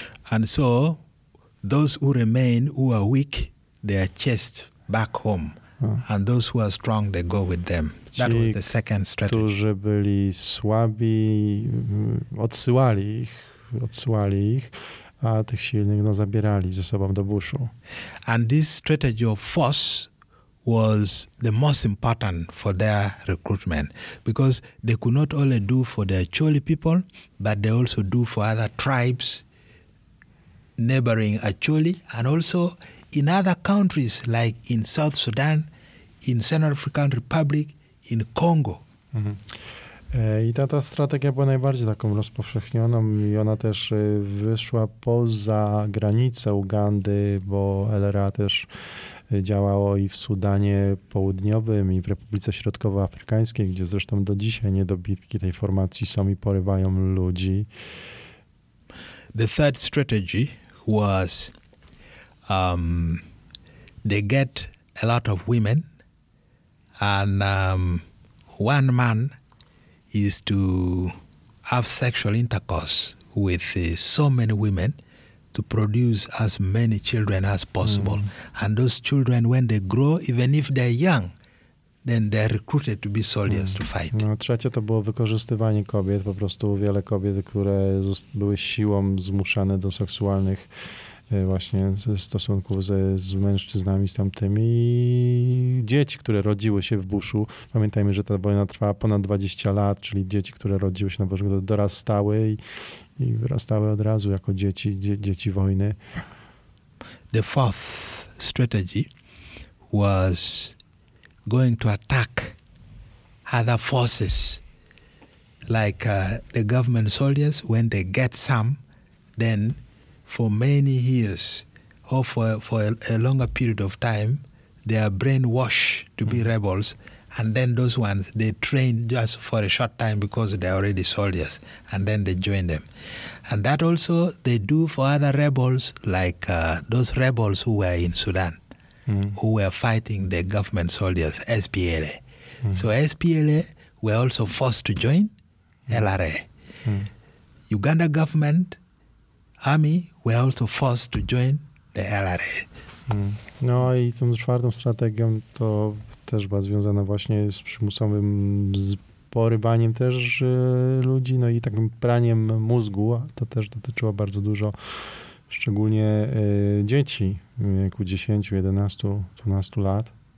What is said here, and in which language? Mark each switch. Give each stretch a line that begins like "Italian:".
English: And so those who remain, who are weak, they are chased back home. And those who are strong, they go with them. That was the second strategy.
Polish: Którzy byli słabi, odsyłali ich, a tych silnych zabierali ze sobą do buszu.
English: And this strategy of force was the most important for their recruitment, because they could not only do for the Acholi people, but they also do for other tribes neighboring Acholi, and also in other countries like in South Sudan, in Central African Republic, in Congo. Mm-hmm.
Polish: I ta strategia była najbardziej taką rozpowszechnioną i ona też wyszła poza granice Ugandy, bo LRA też działało i w Sudanie Południowym, i w Republice Środkowoafrykańskiej, gdzie zresztą do dzisiaj niedobitki tej formacji są i porywają ludzi.
English: The third strategy was they get a lot of women, and one man is to have sexual intercourse with so many women to produce as many children as possible. Mm. And those children, when they grow, even if they're young, then they're recruited to be soldiers to fight.
Polish: No, trzecie to było wykorzystywanie kobiet, po prostu wiele kobiet, które były siłą zmuszane do seksualnych właśnie stosunków z mężczyznami, z tamtymi, i dzieci, które rodziły się w buszu. Pamiętajmy, że ta wojna trwała ponad 20 lat, czyli dzieci, które rodziły się na buszu, dorastały i wyrastały od razu jako dzieci wojny.
English: The fourth strategy was going to attack other forces, like the government soldiers, when they get some, then for many years, or for a longer period of time, they are brainwashed to be rebels, and then those ones, they train just for a short time because they are already soldiers, and then they join them. And that also they do for other rebels, like those rebels who were in Sudan, who were fighting the government soldiers, SPLA. Mm. So SPLA were also forced to join LRA. Mm. Uganda government army were also forced to join the LRA.
Polish: No i tą czwartą strategią to też była związana właśnie z przymusowym porywaniem też ludzi, no i takim praniem mózgu. To też dotyczyło bardzo dużo, szczególnie dzieci w wieku 10, 11, 12 lat.